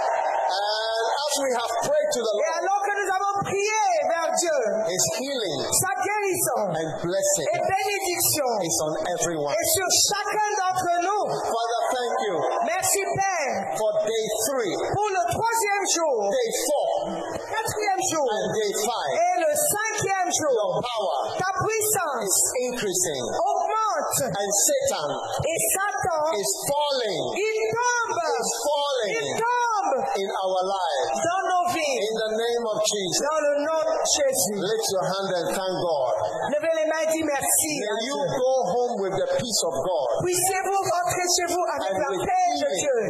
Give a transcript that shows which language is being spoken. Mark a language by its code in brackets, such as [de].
[en] And as we have prayed to the Lord. [fr] Et alors que nous avons prié vers Dieu. [en] His healing. [fr] Sa guérison. [en] And blessing. [fr] Et bénédiction. [en] Is on everyone. [fr] Et sur chacun d'entre nous. [en] Father, thank you. [fr] Merci Père. [en] For day 3. [fr] Pour le troisième jour. [en] Day 4. [fr] Quatrième jour. [en] And day 5. [fr] Et le cinquième jour. [en] Your power. [fr] Ta puissance. [en] Is increasing. [fr] Augmente. [en] And Satan. [fr] Et Satan. [en] Is falling. [fr] Il tombe. [en] Is falling. [fr] Il tombe. [en] In our lives. [fr] Dans nos vies. [en] In the name of Jesus. [fr] Dans le nom de Jésus. [en] Lift your hand and thank God. [fr] Levez les mains et dites merci. [en] May you go home with the peace of God. [fr] Puissiez-vous rentrer chez vous avec la paix de Dieu.